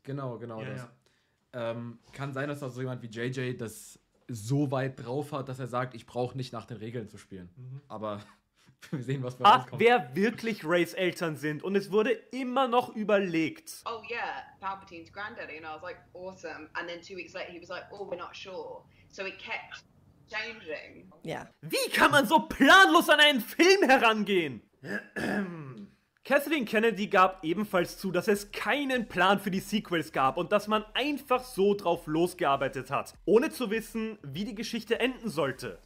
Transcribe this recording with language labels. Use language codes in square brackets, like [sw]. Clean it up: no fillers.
[de] Genau ja, das. Ja. Kann sein, dass da so jemand wie J.J. das so weit drauf hat, dass er sagt, ich brauche nicht nach den Regeln zu spielen. Mhm. Aber wir sehen, was bei uns kommt. Wer wirklich Rays Eltern sind und es wurde immer noch überlegt. [en] Oh yeah, Palpatine's granddaddy. And I was like, awesome. And then 2 weeks later he was like, oh, we're not sure. So it kept... changing. [de] Ja. Wie kann man so planlos an einen Film herangehen? Kathleen Kennedy gab ebenfalls zu, dass es keinen Plan für die Sequels gab und dass man einfach so drauf losgearbeitet hat, ohne zu wissen, wie die Geschichte enden sollte.